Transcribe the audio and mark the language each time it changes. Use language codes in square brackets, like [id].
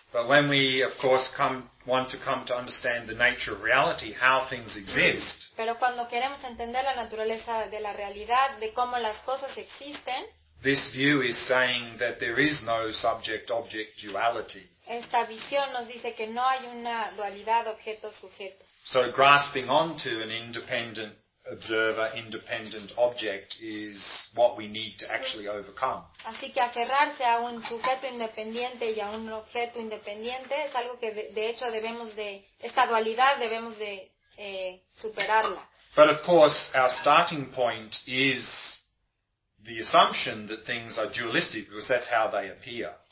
[en] But when we, of course, want to come to understand the nature of reality, how things exist. [es] Pero cuando queremos entender la naturaleza de la realidad, de cómo las cosas existen. [en] This view is saying that there is no subject-object duality. [es] Esta visión nos dice que no hay una dualidad objeto-sujeto. [en] So grasping onto an independent observer, independent object is what we need to actually overcome. [es] Así que aferrarse a un sujeto independiente y a un objeto independiente es algo que de hecho debemos de, esta dualidad debemos de superarla. [en] But of course, our starting point is the assumption that things are dualistic because that's how they appear.